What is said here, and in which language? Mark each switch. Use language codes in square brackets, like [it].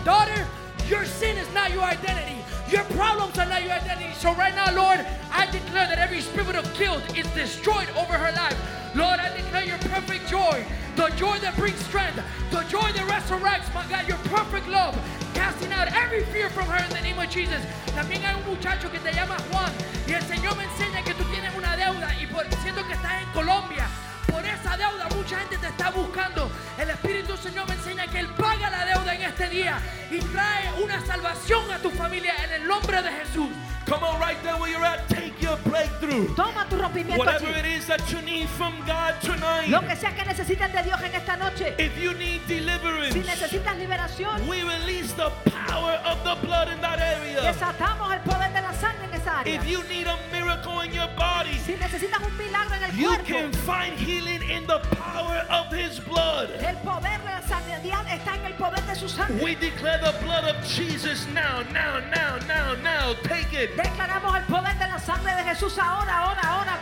[en] Daughter, your sin is not your identity. Your problems are not your identity. So right now, Lord, I declare that every spirit of guilt is destroyed over her life. Lord, I declare your perfect joy, the joy that brings strength, the joy that resurrects, my God, your perfect love, casting out every fear from her in the name of Jesus. [es] También hay un muchacho que te llama Juan, y el Señor me enseña que tú tienes una deuda, y por siento que estás en Colombia. Por esa deuda mucha gente te está buscando. El Espíritu del Señor me enseña que Él paga la deuda en este día y trae una salvación a tu familia en el nombre de Jesús. [en] Come on right there where you're at, take your breakthrough. [es] Toma tu rompimiento. [en] Whatever it is that you need from God tonight. [es] Lo que sea que necesitas de Dios en esta noche. [en] If you need deliverance. [es] Si necesitas liberación. [en] We release the power of the blood in that area. [es] Desatamos el poder de la sangre en esa área. [en] If you need a miracle in your body. [es] Si necesitas un milagro en el cuerpo. [en] You can find healing in the power of His blood. [es] El poder de la sanidad está en el poder de su sangre. [en] We declare the blood of Jesus now, now, now, now, now. Take it. [es] Declaramos el poder de la sangre de Jesús ahora, ahora, ahora.